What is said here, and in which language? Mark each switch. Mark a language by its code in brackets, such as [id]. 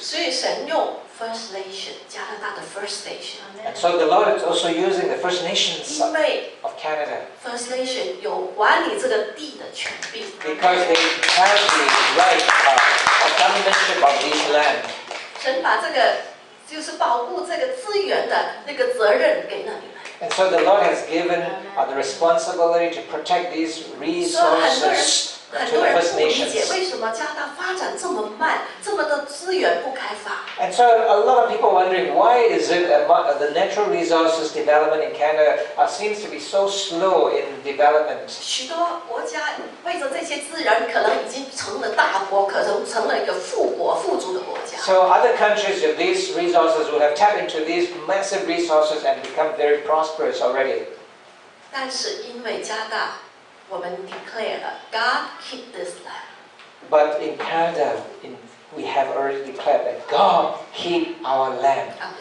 [zh] 所以神用First Nation, 加拿大的 First Nation. [en] And so the Lord is also using the First Nations of Canada. [zh] First Nation 有管理这个地的权柄 [en] Because they have the right of governmentship of this land. [zh] 神把这个就是保护这个资源的那个责任给了你们 [en] And so the Lord has given the responsibility to protect these resources. And so a lot of people wondering why is it the natural resources development in Canada seems to be so slow in development. [zh] 许多国家为着这些资源，可能已经成了大国，可能成了一个富国、富足的国家。 [en] So other countries with these resources would have tapped into these massive resources and become very prosperous already. [zh] 但是因为加拿大。我们 declare 了 [en] God keep this land. But in Canada, we have already declared that God keep our land.